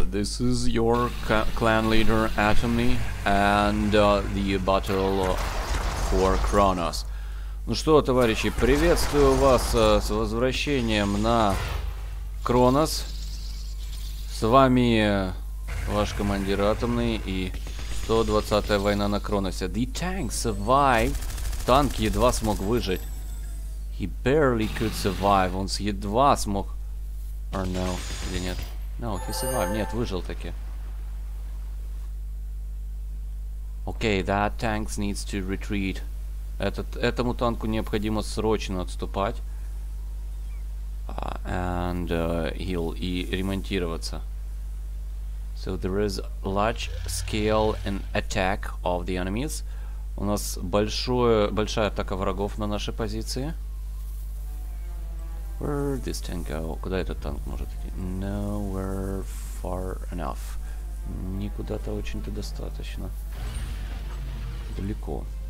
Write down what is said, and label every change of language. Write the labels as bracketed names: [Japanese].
[English] This is your clan leader, Atomy, and the battle for Kronos. [Russian] Ну что, товарищи, приветствую вас с возвращением на Кронос. С вами ваш командир Атомный и 120-я война на Кроносе. [English] The tank survived. [Russian] Танк едва смог выжить. [English] He barely could survive. [Russian] Он едва смог... [English] Or no, [Russian] или нет? [English] No, he survived. [Russian] Нет, выжил таки. [English] Okay, that tank needs to retreat. [Russian] Этому танку необходимо срочно отступать. И ремонтироваться. [English] So there is large scale an attack of the enemies. [Russian] У нас большая атака врагов на нашей позиции. [English] Where this tank go? [Russian] Куда этот танк может идти? [English] Nowhere far enough. [Russian] Никуда-то очень-то достаточно. Далеко.